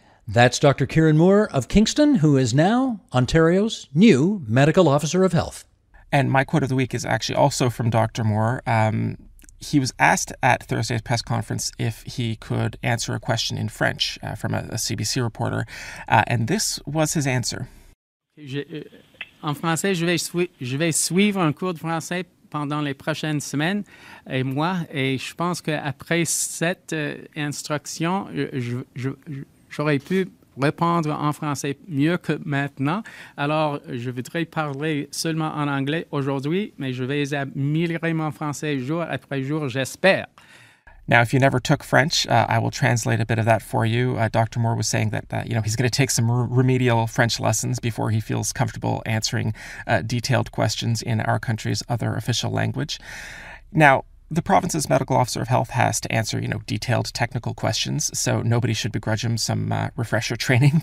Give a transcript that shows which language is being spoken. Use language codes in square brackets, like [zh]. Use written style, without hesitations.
[en] That's Dr. Kieran Moore of Kingston, who is now Ontario's new Medical Officer of Health. And my quote of the week is actually also from Dr. Moore. He was asked at Thursday's press conference if he could answer a question in French from a CBC reporter, and this was his answer. [fr] En français, je vais suivre un cours de français pendant les prochaines semaines, et moi, et je pense que après cette instruction, j'aurais pu répondre en français mieux que maintenant. Alors, je voudrais parler seulement en anglais aujourd'hui, mais je vais améliorer mon français jour après jour, j'espère. [en] Now, if you never took French, I will translate a bit of that for you. Dr. Moore was saying that he's going to take some remedial French lessons before he feels comfortable answering detailed questions in our country's other official language. Now, the province's medical officer of health has to answer, detailed technical questions, so nobody should begrudge him some refresher training.